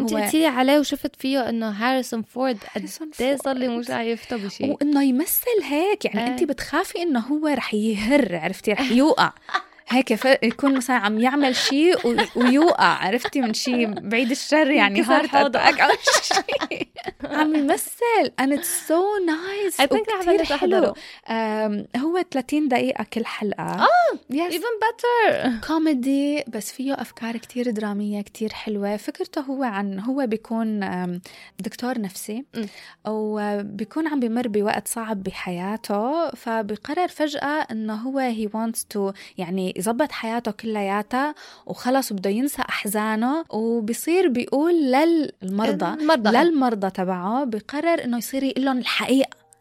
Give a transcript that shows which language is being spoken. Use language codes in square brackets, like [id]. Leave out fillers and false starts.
[ar] انت قلتي عليه وشفت فيه انه هاريسون فورد قدي صار لي مش عايفته بشي وانه يمثل هيك يعني انت بتخافي انه هو رح يهر عرفتي رح يوقع هيك يكون مثلا عم يعمل شيء ويوقع عرفتي من شيء بعيد الشر يعني هارت أتأك على شيء عم يمثل [en] and it's so nice. I think [ar] وكتير حلو. هو 30 دقيقة كل حلقة. [en] Yes. Even better. [ar] كوميدي بس فيه أفكار كتير درامية كتير حلوة. فكرته هو عن هو بيكون دكتور نفسي وبيكون عم بمر بوقت صعب بحياته, فبقرر فجأة إنه هو [en] he wants to [ar] يعني يضبط حياته كلياتها وخلص وبده ينسى أحزانه, وبيصير بيقول للمرضى للمرضى تبعه بقرر إنه يصير يقلهم الحقيقة